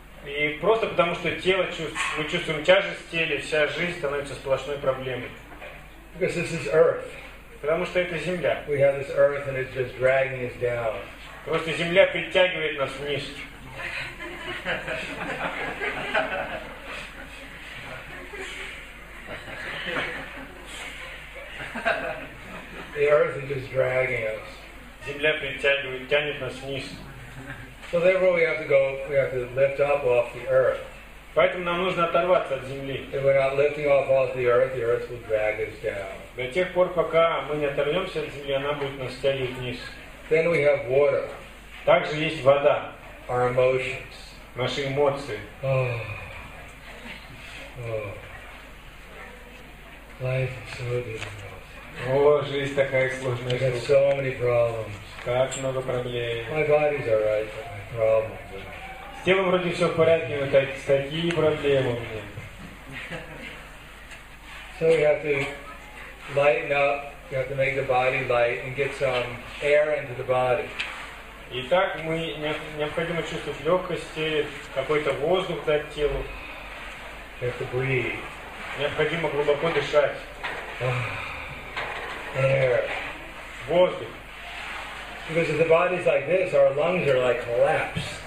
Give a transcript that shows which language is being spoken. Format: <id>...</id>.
<ru>И просто потому, что тело мы чувствуем тяжесть в теле, вся жизнь становится сплошной проблемой.</ru> <en>Because this is earth.</en> <ru>Потому что это земля.</ru> <en>We have this earth and it's just dragging us down.</en> <ru>Просто земля притягивает нас вниз.</ru> <en>The earth is just dragging us.</en> <ru>Земля притягивает, тянет нас вниз.</ru> <en>So therefore we have to go, we have to lift up off the earth.</en> <ru>Поэтому нам нужно оторваться от земли.</ru> <en>If we're not lifting up off the earth will drag us down.</en> <ru>До тех пор, пока мы не оторвемся от земли, она будет нас тянуть вниз.</ru> <en>Then we have water.</en> <ru>Также есть вода.</ru> <en>Our emotions.</en> <ru>Наши эмоции. Oh.</ru> <en>Life is so difficult.</en> <ru>О, жизнь такая сложная.</ru> <en>There's so many problems.</en> <ru>Как много проблем.</ru> <en>My body's all right, but my problems are...</en> <ru>С телом вроде все в порядке, но такие проблемы у меня.</ru> <en>So we have to lighten up, we have to make the body light and get some air into the body.</en> <ru>Итак, мы необходимо чувствовать легкость, какой-то воздух дать телу.</ru> <en>We have to breathe.</en> <ru>Необходимо глубоко дышать.</ru> <en>Air.</en> <ru>Воздух.</ru> <en>Because if the body's like this, our lungs are like collapsed.</en>